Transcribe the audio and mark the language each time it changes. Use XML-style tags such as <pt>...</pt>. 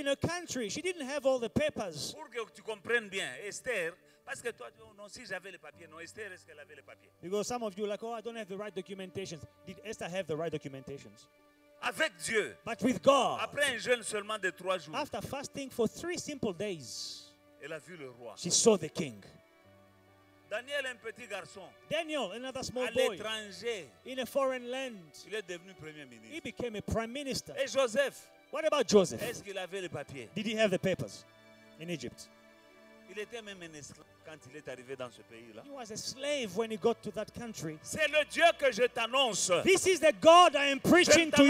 <en>In a country, she didn't have all the papers.</en> <fr>Pour que tu comprennes bien, Esther. Parce que toi, non, si j'avais les papiers, non, Esther, est-ce qu'elle avait les papiers?</fr> <en>Because some of you are like, oh, I don't have the right documentations. Did Esther have the right documentations?</en> <fr>Avec Dieu.</fr> <en>But with God.</en> <fr>Après un jeûne seulement de 3 jours.</fr> <en>After fasting for 3 simple days.</en> <fr>Elle a vu le roi.</fr> <en>She saw the king.</en> <fr>Daniel, un petit garçon.</fr> <en>Daniel, another small boy.</en> <fr>À l'étranger.</fr> <en>In a foreign land.</en> <fr>Il est devenu premier ministre.</fr> <en>He became a prime minister.</en> <fr>Et Joseph.</fr> <en>What about Joseph?</en> <fr>Est-ce qu'il avait les papiers?</fr> <en>Did he have the papers in Egypt?</en> <fr>Il était même un esclave quand il est arrivé dans ce pays-là.</fr> <en>He was a slave when he got to that country.</en> <fr>C'est le Dieu que je t'annonce.</fr> <en>This is the God I am preaching to you.</en>